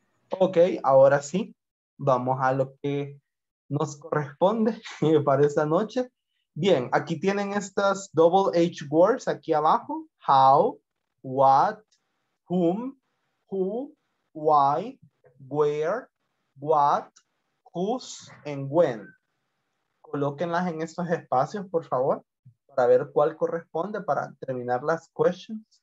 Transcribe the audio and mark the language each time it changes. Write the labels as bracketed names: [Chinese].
[Spanish] Ok, ahora sí, vamos a lo que nos corresponde para esta noche. Bien, aquí tienen estas double H words aquí abajo. [English] How, what, whom, who, why, where, what, whose, and when. [Spanish] Colóquenlas en estos espacios, por favor, para ver cuál corresponde para terminar las questions.